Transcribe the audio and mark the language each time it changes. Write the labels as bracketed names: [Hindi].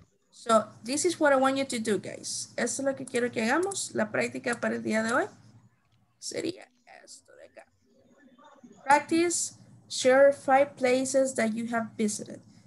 [English] So, this is what I want you to do, guys. [Spanish] Esto es lo que quiero que hagamos. La práctica para el día de hoy sería esto de acá. [English] Practice, share five places that you have visited.